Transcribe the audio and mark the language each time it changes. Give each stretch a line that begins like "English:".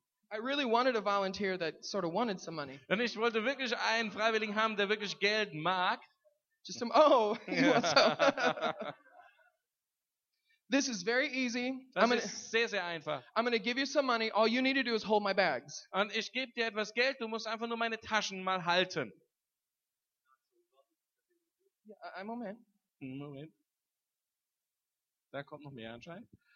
English: I really wanted a volunteer that sort of wanted some money.
German: Und ich wollte wirklich einen Freiwilligen haben, der wirklich Geld mag.
English: Just some. Oh, you want some? This is very easy.
German: Das ist sehr einfach.
English: I'm going to give you some money. All you need to do is hold my bags.
German: Und ich gebe dir etwas Geld. Du musst einfach nur meine Taschen mal halten.
English: Yeah, a moment.
German: Moment. Da kommt noch mehr anscheinend.